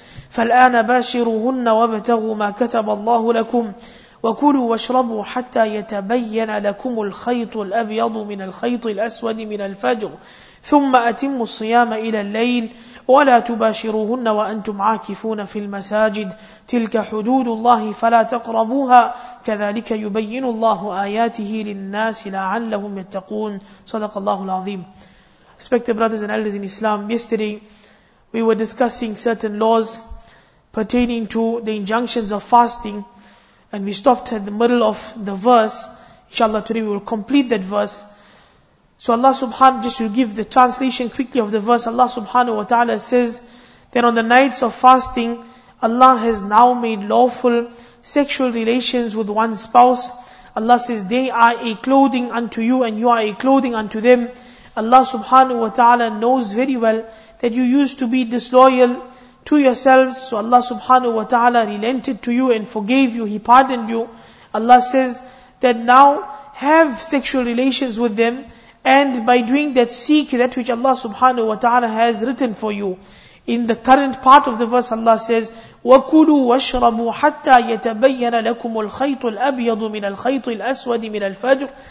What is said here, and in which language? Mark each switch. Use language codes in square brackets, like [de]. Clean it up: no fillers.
[ar] فالآن باشروهن وابتغوا ما كتب الله لكم، وكلوا واشربوا حتى يتبين لكم الخيط الأبيض من الخيط الأسود من الفجر، ثم أتموا الصيام إلى الليل، ولا تباشروهن وأنتم عاكفون في المساجد، تلك حدود الله فلا تقربوها، كذلك يبين الله آياته للناس لعلهم يتقون. صدق الله العظيم. [en] Respected brothers and elders in Islam, yesterday we were discussing certain laws pertaining to the injunctions of fasting, and we stopped at the middle of the verse. Inshallah, today we will complete that verse. So Allah subhanahu, just to give the translation quickly of the verse, Allah subhanahu wa ta'ala says that on the nights of fasting, Allah has now made lawful sexual relations with one spouse. Allah says, they are a clothing unto you and you are a clothing unto them. Allah subhanahu wa ta'ala knows very well that you used to be disloyal to yourselves. So Allah subhanahu wa ta'ala relented to you and forgave you. He pardoned you. Allah says that now have sexual relations with them. And by doing that, seek that which Allah subhanahu wa ta'ala has written for you. In the current part of the verse, Allah says, [ar] وَكُلُوا وَاشْرَبُوا حَتَّى يَتَبَيَّنَ لَكُمُ الْخَيْطُ الْأَبْيَضُ مِنَ الْخَيْطِ الْأَسْوَدِ مِنَ الْفَجْرِ.